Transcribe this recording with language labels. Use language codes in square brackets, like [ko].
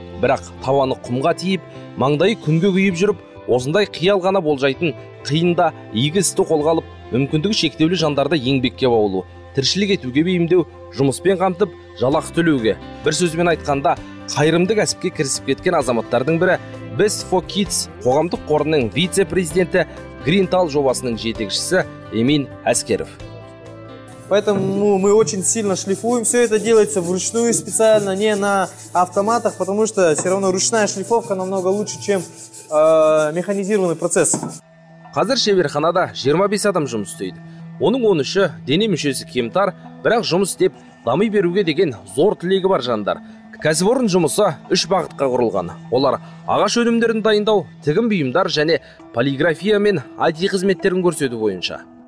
[kk] Бірақ тауаны құмға тиіп, маңдайы күнге күйіп жүріп, осындай қиял ғана болжайтын қиында игі істі қолға алып, мүмкіндігі шектеулі жандарды еңбекке баулу, тіршілік етуге бейімдеу, жұмыспен қамтып, жалақы төлеуге. Бір сөзбен айтқанда, қайырымды кәсіпке кірісіп кеткен азаматтардың бірі Best for Kids қоғамдық қорының вице-президенті Гринтал жобасының жетекшісі Емин Әскеров. [ru] Поэтому мы очень сильно шлифуем. Все это делается вручную специально, не на автоматах, потому что все равно ручная шлифовка намного лучше, чем механизированный процесс. [kk] Қазір шеберханада 25 адам жұмыс істейді. Оның 13-і дене мүшесі кемтар, бірақ жұмыс деп дами беруге деген зор тілегі бар жандар. Кәсіпорын жұмысы 3 бағытқа құрылған. Олар ағаш өнімдерін дайындау, тігін бұйымдар және полиграфия мен IT қызметтерін көрсету бойынша.